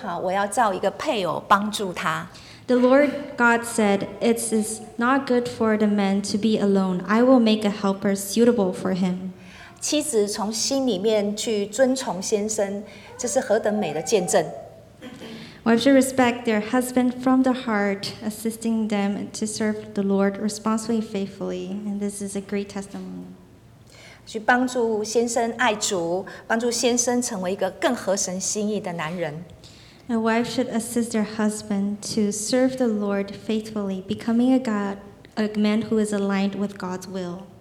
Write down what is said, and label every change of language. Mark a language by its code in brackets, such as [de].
[zh] 耶和华神说，那人独居不好，我要造一个配偶帮助他。 [en] The Lord God said, "It is not good for the man to be alone. I will make a helper suitable for him." [zh] 妻子从心里面去遵从先生，这是何等美的见证！ [en] Wives should respect their husband from the heart, assisting them to serve the Lord responsibly, faithfully, and this is a great testimony. [zh] 去帮助先生爱主，帮助先生成为一个更合神心意的男人。 [en] A wife should assist her husband to serve the Lord faithfully, becoming a man who is aligned with God's will.